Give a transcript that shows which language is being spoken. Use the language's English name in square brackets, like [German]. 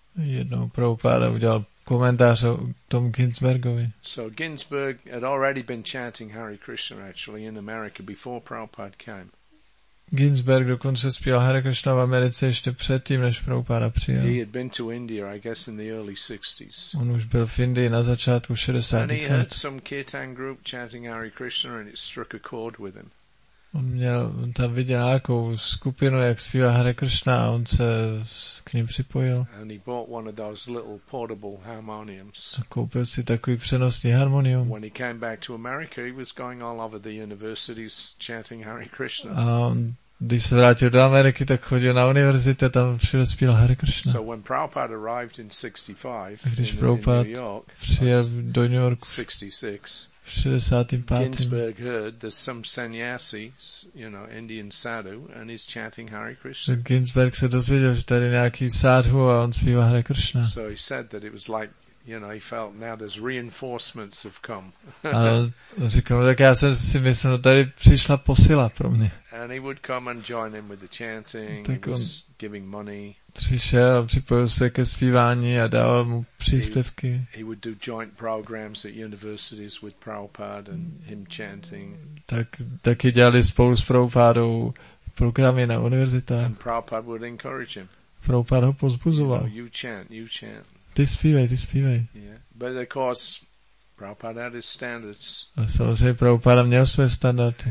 [Czech] Jednou Prabhupada udělal komentář o tom Ginsbergovi. [English] So Ginsberg had already been chanting Hare Krishna actually in America before Prabhupada came. [Czech] Ginsberg dokonce zpíval Hare Krishna v Americe ještě předtím, než Prabhupada přijel. [English] He had been to India, I guess, in the early 60s. [Czech] On už byl v Indii na začátku 60. [English] And he heard some kirtan group chanting Hare Krishna and it struck a chord with him. [Czech] On měl, on tam viděl nějakou skupinu, jak zpívá Hare Krishna, a on se k ním připojil. [English] And he bought one of those little portable harmoniums. [Czech] A koupil si takový přenosný harmonium. [English] When he came back to America, he was going all over the universities chanting Hare Krishna. [Czech] A on, když se vrátil do Ameriky, tak chodil na univerzitu, tam všude zpíval Hare Krishna. [English] So when Prabhupada arrived in 65, [Czech] když Prabhupada přijel do New Yorku, [English] 66. [Czech] V 65. [English] Ginsberg heard there's some sannyasi, you know, Indian sadhu, and he's chanting Hare Krishna. [Czech] Ginsberg se dozvěděl, že tady nějaký sadhu a on zpívá Hare Krishna. [English] So he said that it was like, you know, he felt now there's reinforcements have come. [Czech] A říkal, tak já jsem si myslel, tady přišla posila pro mě. [English] And he would come and join him with the chanting, giving money. [Czech] Přišel, připojil se ke zpívání a dal mu příspěvky. [English] He would do joint programs at universities with Prabhupada and him chanting. [Czech] Taky dělali spolu s Prabhupádou programy na univerzitách. [English] And Prabhupada would encourage him. [Czech] Prabhupada ho pozbuzoval. [English] You chant, you chant. [Czech] Ty zpívej, ty zpívej. [English] Yeah. But of course, Prabhupada had his standards. [Czech] A samozřejmě Prabhupada měl své standardy.